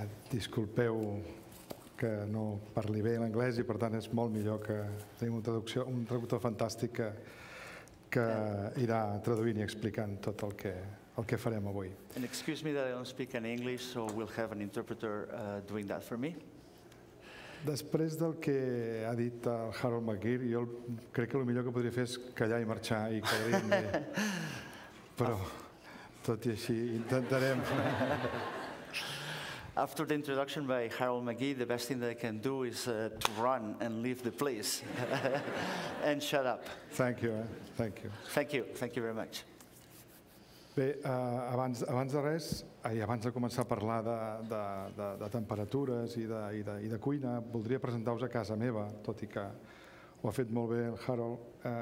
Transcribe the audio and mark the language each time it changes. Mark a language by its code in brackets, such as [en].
[ca] Disculpeu que no parli bé l'anglès, i per tant és molt millor que tenim una traducció, un traductor fantàstic que irà traduint i explicant tot el que farem avui. [en] And excuse me that I don't speak in English, so we'll have an interpreter doing that for me. [ca] Després del que ha dit el Harold McGeer, jo crec que el millor que podria fer és callar i marxar i quedar-me. Però tot i així intentarem. [en] After the introduction by Harold McGee, the best thing that I can do is to run and leave the place and shut up. Thank you, thank you. Thank you, thank you very much. [ca] Bé, abans de res, i abans de començar a parlar de temperatures i de cuina, voldria presentar-vos a casa meva, tot i que ho ha fet molt bé el Harold.